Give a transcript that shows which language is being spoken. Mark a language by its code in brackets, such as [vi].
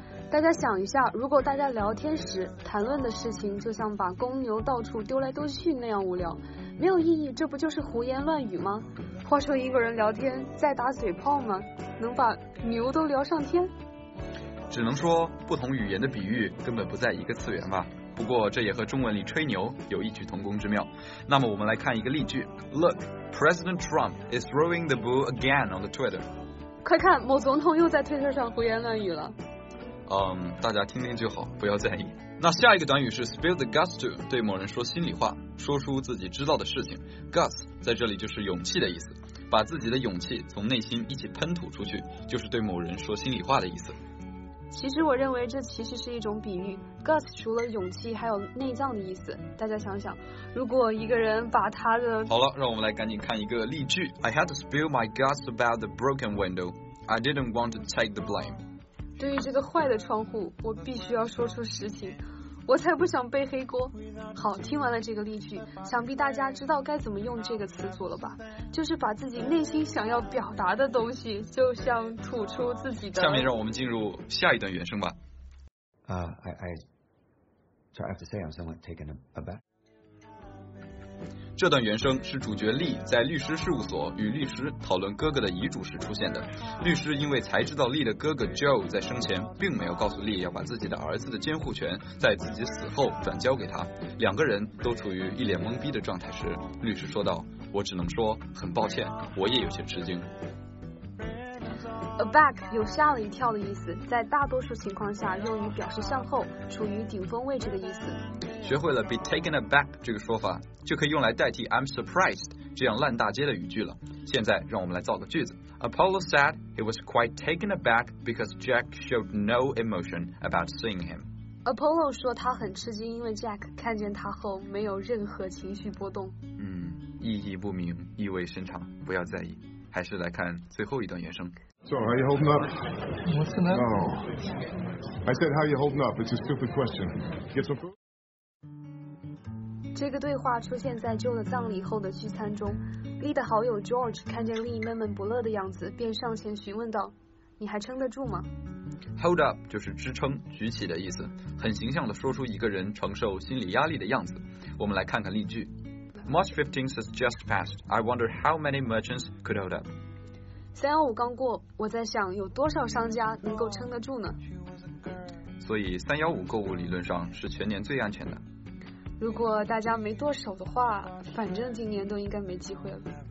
[zh] 大家想一下，如果大家聊天时谈论的事情就像把公牛到处丢来丢去那样无聊，没有意义，这不就是胡言乱语吗？话说一个人聊天在打嘴炮吗？能把牛都聊上天？只能说不同语言的比喻根本不在一个次元吧。不过这也和中文里吹牛有异曲同工之妙。那么我们来看一个例句。 [en] Look, President Trump is throwing the bull again on the Twitter. [zh] 快看，某总统又在推特上胡言乱语了。大家听听就好，不要在意。那下一个短语是 [en] spill the guts to， [zh] 对某人说心里话，说出自己知道的事情。 guts 在这里就是勇气的意思，把自己的勇气从内心一起喷吐出去，就是对某人说心里话的意思。其实我认为这其实是一种比喻， guts 除了勇气还有内脏的意思。大家想想，如果一个人把他的…… 好了，让我们来赶紧看一个例句。 [en] I had to spill my guts about the broken window. I didn't want to take the blame. [zh] 对于这个坏的窗户，我必须要说出实情，我才不想背黑锅。好，听完了这个例句，想必大家知道该怎么用这个词组了吧？就是把自己内心想要表达的东西，就像吐出自己的。下面让我们进入下一段原声吧。 [en] I have to say I'm somewhat taken aback。 [zh] 这段原声是主角利在律师事务所与律师讨论哥哥的遗嘱时出现的。律师因为才知道利的哥哥 Joe 在生前并没有告诉利要把自己的儿子的监护权在自己死后转交给他，两个人都处于一脸懵逼的状态时，律师说道：我只能说很抱歉，我也有些吃惊。 Aback 有吓了一跳的意思，在大多数情况下用于表示向后处于顶峰位置的意思。学会了 be taken aback 这个说法，就可以用来代替 [en] I'm surprised [zh] 这样烂大街的语句了。现在让我们来造个句子。 [en] Apollo said he was quite taken aback because Jack showed no emotion about seeing him. [zh] Apollo 说他很吃惊，因为 Jack 看见他后没有任何情绪波动。意义不明，意味深长，不要在意。还是来看最后一段原声。 [en] So how are you holding up? What's the matter? Oh. I said how are you holding up? It's a stupid question. Get some food? [zh] 这个对话出现在Joe的葬礼后的聚餐中。 Lee的好友 George 看见Lee闷闷不乐的样子，便上前询问道：你还撑得住吗？ Hold up 就是支撑举起的意思，很形象地说出一个人承受心理压力的样子。我们来看看例句。 [en] March 15th has just passed. I wonder how many merchants could hold up. [zh] 315刚过，我在想有多少商家能够撑得住呢？所以315购物理论上是全年最安全的。如果大家没剁手的话，反正今年都应该没机会了。